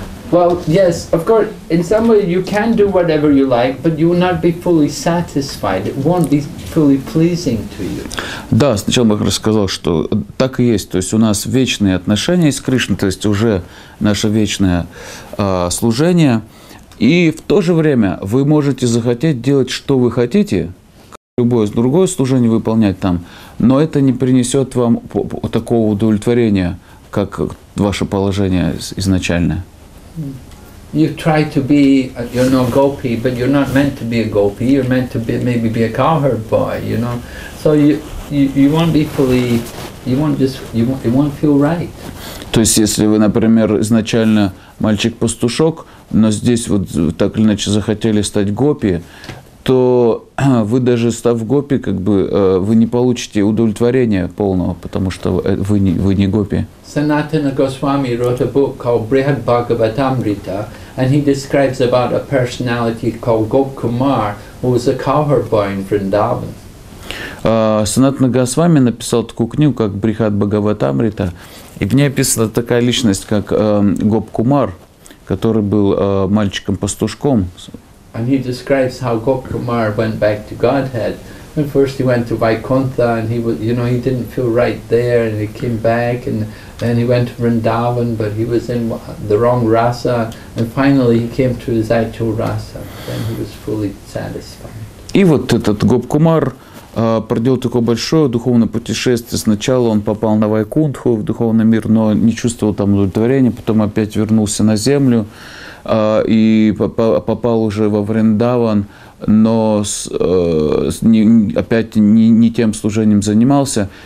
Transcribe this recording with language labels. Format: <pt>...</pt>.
<en>Well, yes, of course, in some way you can do whatever you like, but you will not be fully satisfied. It won't be fully pleasing to you.</en> <ru>Да, сначала Махар сказал, что так и есть. То есть у нас вечные отношения с Кришной, то есть уже наше вечное служение. И в то же время вы можете захотеть делать, что вы хотите, любое другое служение выполнять там, но это не принесет вам такого удовлетворения, как ваше положение изначальное.</ru> <en>You try to be, you know, gopi, but you're not meant to be a gopi. You're meant to be maybe be a cowherd boy, you know. So you won't be fully, you won't just, you won't feel right.</en> <ru>То есть, если вы, например, изначально мальчик-пастушок, но здесь вот так или иначе захотели стать гопи, то вы даже став гопи, как бы вы не получите удовлетворения полного, потому что вы не гопи.</ru> <en>Sanatana Goswami wrote a book called Brihad Bhagavatamrita, and he describes about a personality called Gop Kumar, who was a cowherd boy in Vrindavan.</en> <ru>Sanatana Goswami написал такую книгу, как Брихад Бхагаватамрита, и в ней описана такая личность, как Гоп Кумар, который был мальчиком-пастушком.</ru> <en>And he describes how Gop Kumar went back to Godhead. And first he went to Vaikuntha, and he was, you know, he didn't feel right there, and he came back, and then he went to Vrindavan, but he was in the wrong rasa, and finally he came to his actual rasa, then he was fully satisfied.</en> <ru>И вот этот Гоп Кумар проделал такое большое духовное путешествие. Сначала он попал на Вайкунтху, в духовный мир, но не чувствовал там удовлетворения, потом опять вернулся на землю. И попал уже во Вриндаван, но опять не тем служением занимался.</ru>